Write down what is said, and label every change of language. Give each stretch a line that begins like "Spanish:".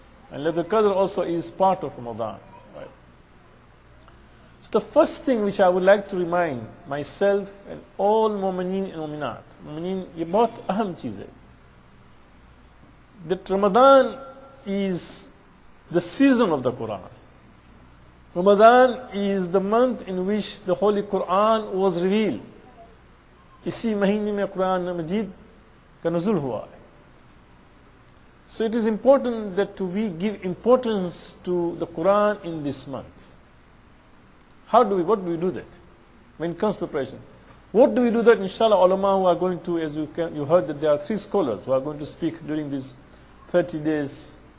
English: And Laylatul Qadr also is part of Ramadan. Right. So the first thing which I would like to remind myself and all Mumineen and Muminat, Mumineen,
Urdu: ye bahut aham cheez hai,
English: that Ramadan is the season of the Quran. Ramadan is the month in which the Holy Quran was revealed.
Urdu: اسی مہینے میں قرآن مجید کا نزول ہوا ہے.
English: So it is important that we give importance to the Quran in this month. How do we, what do we do that? When it comes to preparation, what do we do that, inshallah, ulama who are going to, as you can, you heard that there are three scholars who are going to speak during these 30 days.